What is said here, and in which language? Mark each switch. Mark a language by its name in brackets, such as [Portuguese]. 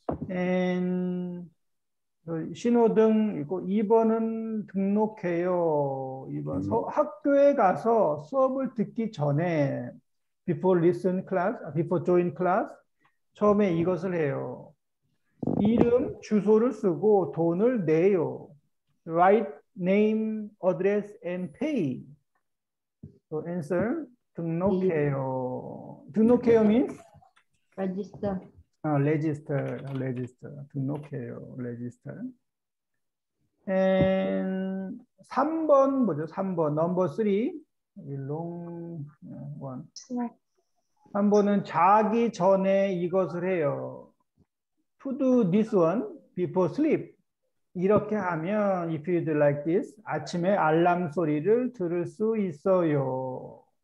[Korean] And 신호등 있고 2번은 등록해요. 2번 학교에 가서 수업을 듣기 전에 [English] before listen class, before join class [Korean] 처음에 이것을 해요. 이름, 주소를 쓰고 돈을 내요. [English] Write name, address, and pay. So answer, 등록해요. [Korean] 등록해요 means? [English] Register. Register. [Korean] 등록해요, register. And 3번, 뭐죠? 3번, [English] number 3. Long one. [Korean] 3번은 자기 전에 이것을 해요. [English] To do this one before sleep. [Korean] 이렇게 하면 [English] if you do like this, [Korean] 아침에 알람 소리를 들을 수 있어요.